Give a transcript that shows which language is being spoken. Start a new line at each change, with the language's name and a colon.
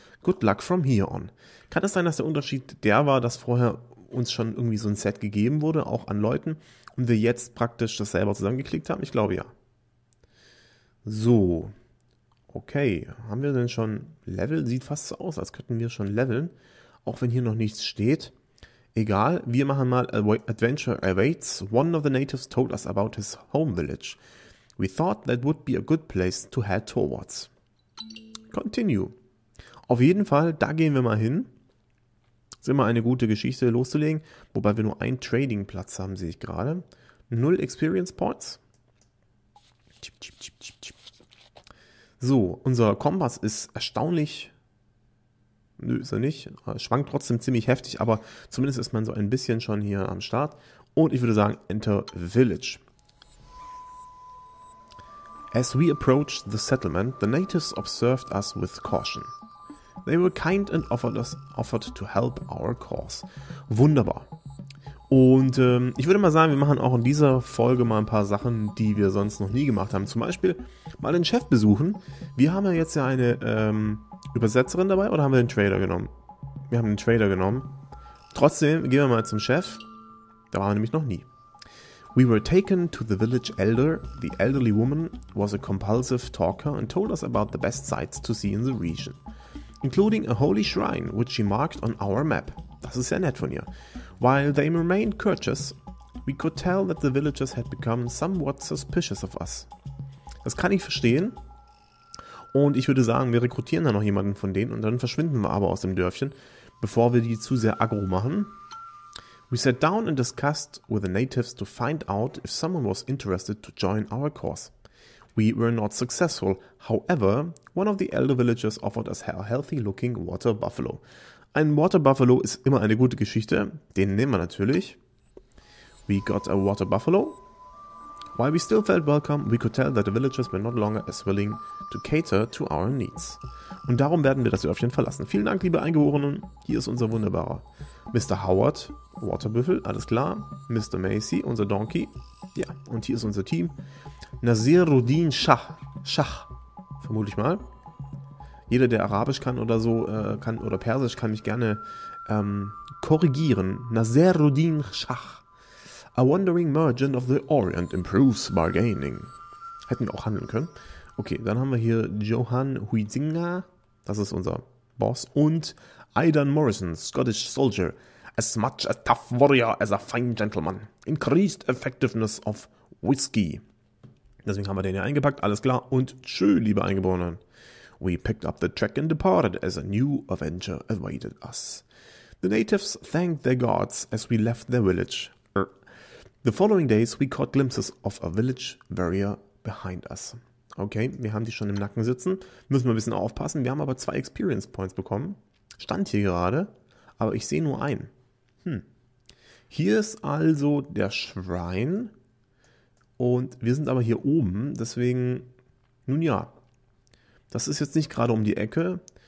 English: Good luck from here on.
German: Kann es sein, dass der Unterschied der war, dass vorher uns schon irgendwie so ein Set gegeben wurde, auch an Leuten, und wir jetzt praktisch das selber zusammengeklickt haben? Ich glaube ja. So. Okay. Haben wir denn schon Level? Sieht fast so aus, als könnten wir schon leveln. Auch wenn hier noch nichts steht. Egal. Wir machen mal Adventure Awaits.
English: One of the natives told us about his home village. We thought that would be a good place to head towards. Continue.
German: Auf jeden Fall, da gehen wir mal hin. Ist immer eine gute Geschichte loszulegen. Wobei wir nur einen Trading-Platz haben, sehe ich gerade. 0 Experience Points. So, unser Kompass ist erstaunlich. Nö, ist er nicht. Schwankt trotzdem ziemlich heftig, aber zumindest ist man so ein bisschen schon hier am Start. Und ich würde sagen, Enter Village.
English: As we approached the settlement, the natives observed us with caution. They were kind and offered to help our cause.
German: Wunderbar. Und ich würde mal sagen, wir machen auch in dieser Folge mal ein paar Sachen, die wir sonst noch nie gemacht haben. Zum Beispiel mal den Chef besuchen. Wir haben ja jetzt ja eine Übersetzerin dabei, oder haben wir den Trader genommen? Wir haben den Trader genommen. Trotzdem gehen wir mal zum Chef. Da waren wir nämlich noch nie.
English: We were taken to the village elder. The elderly woman was a compulsive talker and told us about the best sights to see in the region, including a holy shrine which she marked on our map.
German: Das ist sehr nett von ihr.
English: While they remained courteous, we could tell that the villagers had become somewhat suspicious of us.
German: Das kann ich verstehen. Und ich würde sagen, wir rekrutieren da noch jemanden von denen und dann verschwinden wir aber aus dem Dörfchen, bevor wir die zu sehr aggro machen.
English: We sat down and discussed with the natives to find out if someone was interested to join our cause. We were not successful. However, one of the elder villagers offered us a healthy looking water buffalo.
German: Ein water buffalo ist immer eine gute Geschichte. Den nehmen wir natürlich.
English: We got a water buffalo. While we still felt welcome, we could tell that the villagers were not longer as willing to cater to our needs.
German: Und darum werden wir das Dörfchen verlassen. Vielen Dank, liebe Eingeborenen. Hier ist unser wunderbarer Mr. Howard, Waterbüffel, alles klar. Mr. Macy, unser Donkey. Ja, und hier ist unser Team. Nasiruddin Shah. Shah, vermute ich mal. Jeder, der Arabisch kann oder so, kann oder Persisch, kann mich gerne korrigieren. Nasiruddin Shah.
English: A wandering merchant of the Orient improves bargaining.
German: Hätten wir auch handeln können. Okay, dann haben wir hier Johann Huizinga. Das ist unser Boss. Und Aidan Morrison, Scottish Soldier.
English: As much a tough warrior as a fine gentleman. Increased effectiveness of whiskey.
German: Deswegen haben wir den hier eingepackt, alles klar. Und tschö, liebe Eingeborenen.
English: We picked up the track and departed as a new Avenger awaited us. The natives thanked their gods as we left their village. The following days we caught glimpses of a village warrior behind us.
German: Okay, wir haben die schon im Nacken sitzen. Müssen wir ein bisschen aufpassen. Wir haben aber 2 Experience Points bekommen. Stand hier gerade, aber ich sehe nur einen. Hier ist also der Schrein. Und wir sind aber hier oben, deswegen, nun ja, das ist jetzt nicht gerade um die Ecke.